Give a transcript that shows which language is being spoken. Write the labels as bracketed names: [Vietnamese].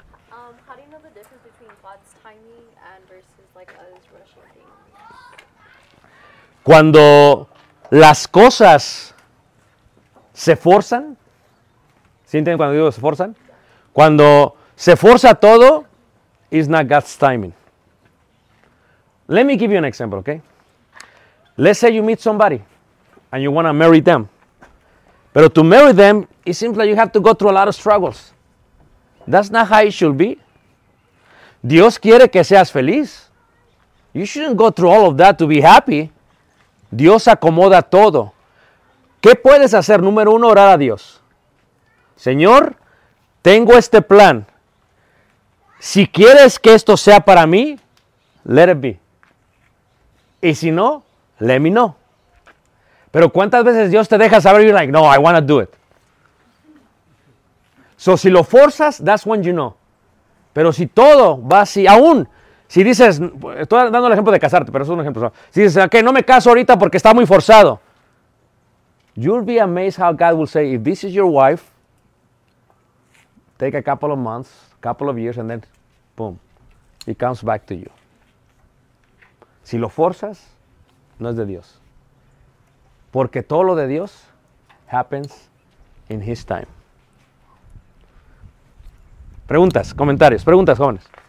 [English] How do you know the difference between God's timing and versus like us rushing things? [Spanish] Cuando las cosas se forzan, ¿sienten cuando digo se forzan? Cuando se forza todo, [English] it's not God's timing. Let me give you an example, okay? Let's say you meet somebody and you want to marry them. But to marry them, it seems like you have to go through a lot of struggles. That's not how it should be. [Spanish] Dios quiere que seas feliz. [English] You shouldn't go through all of that to be happy. [Spanish] Dios acomoda todo. ¿Qué puedes hacer? Número uno, orar a Dios. Señor, tengo este plan. Si quieres que esto sea para mí, [English] let it be. [Spanish] Y si no, [English] let me know. [Spanish] Pero ¿cuántas veces Dios te deja saber? [English] You're like, no, I want to do it. So, [Spanish] si lo forzas, [English] that's when you know. [Spanish] Pero si todo va así, aún, si dices, estoy dando el ejemplo de casarte, pero es un ejemplo. Si dices, ok, no me caso ahorita porque está muy forzado. [English] You'll be amazed how God will say, if this is your wife, take a couple of months, couple of years, and then, boom, it comes back to you. [Spanish] Si lo forzas, no es de Dios. Porque todo lo de Dios [English] happens in His time. [Spanish] Preguntas, comentarios, preguntas, jóvenes.